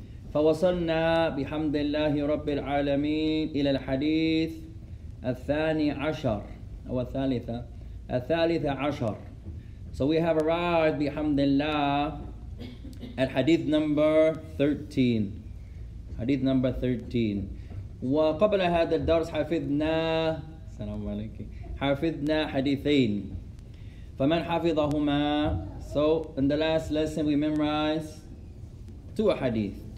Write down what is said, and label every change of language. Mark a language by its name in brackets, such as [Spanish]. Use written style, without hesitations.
[Arabic] فوصلنا بحمد الله رب العالمين إلى الحديث الثاني عشر أو الثالثة الثالثة عشر. [English] So we have arrived bihamdillah at hadith number 13. [Arabic] وقبل هذا الدرس حفظنا السلام عليكم حفظنا حديثين فمن حفظهما. [English] So in the last lesson we memorized two hadith.